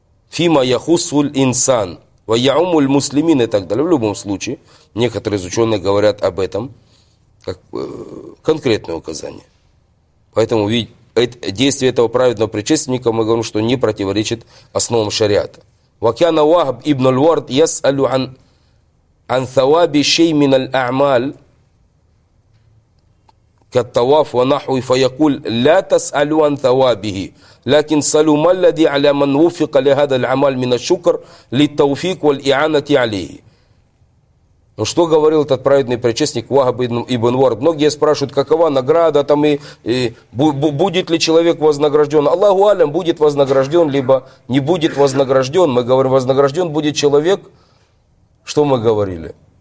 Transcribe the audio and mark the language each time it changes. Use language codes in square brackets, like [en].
[ar] Фима яхусуль инсан. Ваяумуль муслимин [ru] и так далее. В любом случае, некоторые из ученых говорят об этом как конкретное указание. Поэтому действие этого праведного предшественника, мы говорим, что не противоречит основам шариата. [ar] Вакяна Вахб ибн аль-Вард ясалю ан тваби шей мин аль-а'маль. كالطواف ونحو فيقول لا تسألوا عن ثوابه لكن سألوا ما الذي على من وفق لهذا العمل من الشكر للتوفيق والإعانة عليه. [ru] Ну что говорил этот праведный предшественник Вахб ибн Вард? Многие спрашивают, какова награда там и будет ли человек вознагражден. Аллаху алям, будет вознагражден, либо не будет вознагражден. Мы говорим, вознагражден будет человек, что мы говорили?